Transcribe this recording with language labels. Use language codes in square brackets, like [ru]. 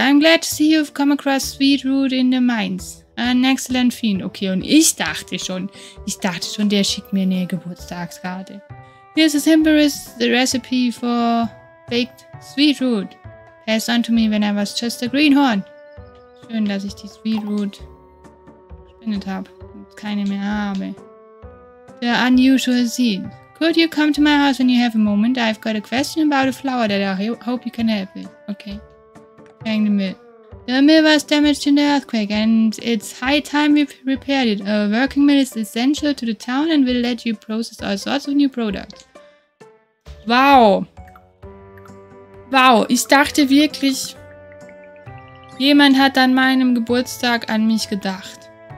[en] I'm glad to see you've come across Sweet Root in the Mines. An excellent fiend. [de] Okay, und ich dachte schon, der schickt mir eine Geburtstagskarte. [en] This is Emperor's the recipe for baked Sweet Root. Pass on to me when I was just a greenhorn. [de] Schön, dass ich die Sweet Root gespendet habe und keine mehr habe. [en] The unusual seed. Could you come to my house when you have a moment? I've got a question about a flower that I hope you can help with. Okay. Hang the mill. The mill was damaged in the earthquake and it's high time we repaired it. A working mill is essential to the town and will let you process all sorts of new products. Wow. [de] Wow, ich dachte wirklich, jemand hat an meinem Geburtstag an mich gedacht.